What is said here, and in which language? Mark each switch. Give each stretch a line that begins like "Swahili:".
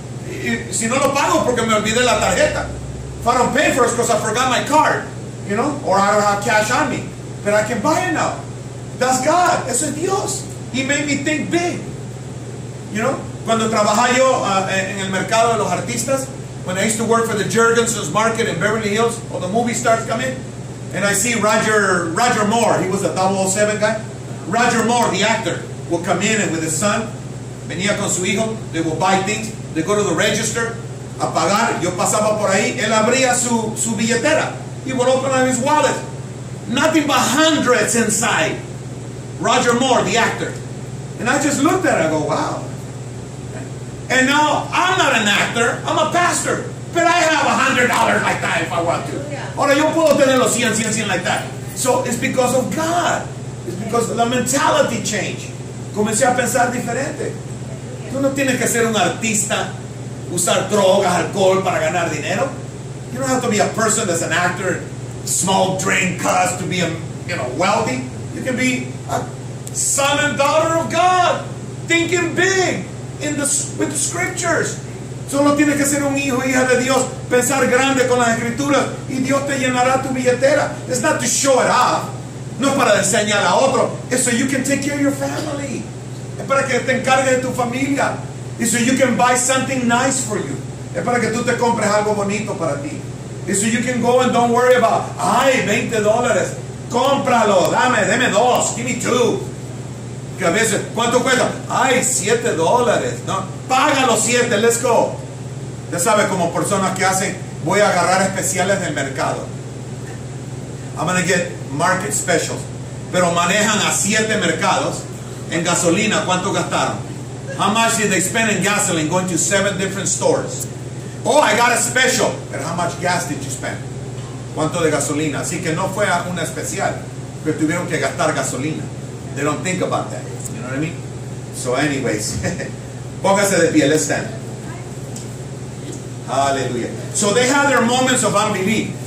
Spanish: Y si no lo pago, porque me olvidé la tarjeta.
English: If I don't pay for it, it's because I forgot my card, you know, or I don't have cash on me. But I can buy it now. That's God.
Spanish: Eso es Dios.
English: He made me think big. You know,
Spanish: cuando trabajaba yo en el mercado de los artistas,
English: when I used to work for the Jurgensen's Market in Beverly Hills, or the movie stars come in, and I see Roger Moore, he was a 007 guy. Roger Moore, the actor, would come in and with his son,
Spanish: venía con su hijo,
English: they would buy things, they go to the register,
Spanish: a pagar, yo pasaba por ahí, él abría su billetera,
English: he would open up his wallet. Nothing but hundreds inside. Roger Moore, the actor. And I just looked at it, I go, wow. And now, I'm not an actor, I'm a pastor. But I have $100 like that if I want to.
Spanish: Ahora yo puedo tener los 100, 100, 100
English: like that.
Spanish: So it's because of God.
English: It's because of the mentality change.
Spanish: Comencé a pensar diferente. Tú no tienes que ser un artista, usar drogas, alcohol para ganar dinero.
English: You don't have to be a person that's an actor, small drink, cuss to be a, you know, wealthy. You can be a son and daughter of God, thinking big. With the scriptures.
Spanish: Solo tienes que ser un hijo, hija de Dios, pensar grande con las escrituras, y Dios te llenará tu billetera.
English: It's not to show it off,
Spanish: no para enseñar a otro.
English: It's so you can take care of your family.
Spanish: Es para que te encargue de tu familia.
English: It's so you can buy something nice for you.
Spanish: Es para que tú te compres algo bonito para ti.
English: It's so you can go and don't worry about, ay, $20,
Spanish: cómpralo, deme dos,
English: give me two.
Spanish: Que a veces, ¿cuánto cuesta? Ay, $7, ¿no? Paga los 7,
English: let's go.
Spanish: Ya sabes, como personas que hacen, voy a agarrar especiales del mercado.
English: I'm going to get market specials.
Spanish: Pero manejan a 7 mercados en gasolina, ¿cuánto gastaron?
English: How much did they spend in gasoline going to 7 different stores? Oh, I got a special. But how much gas did you spend?
Spanish: ¿Cuánto de gasolina? Así que no fue una especial, pero tuvieron que gastar gasolina.
English: They don't think about that. You know what I mean? So anyways,
Spanish: póngase de pie,
English: let's stand. Hallelujah. So they had their moments of unbelief.